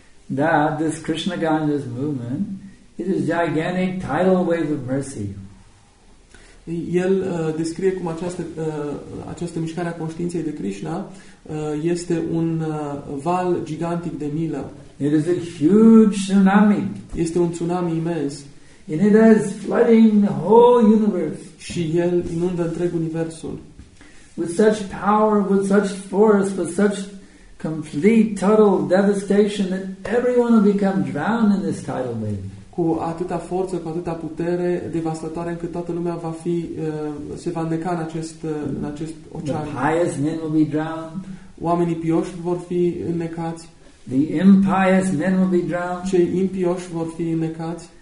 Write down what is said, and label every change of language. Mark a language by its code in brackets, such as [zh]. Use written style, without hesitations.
[en] That this Krishna Ganga's movement is a gigantic tidal wave of mercy. [ro] El descrie cum această mișcare a conștiinței de Krishna este un val gigantic de milă. [en] It is a huge tsunami. [ro] Este un tsunami imens. [en] And it is flooding the whole universe. [ro] Și el inundă întreg universul. [en] With such power, with such force, with such complete total devastation that everyone will become drowned in this tidal wave. [ro] Cu atâta forță, cu atâta putere devastatoare încât toată lumea va fi se va îndeca în acest ocean. [en] The highest men will be drowned. [ro] Oamenii pioși vor fi înnecați. [en] The impious men will be drowned. [ro] Cei impioși vor fi înnecați.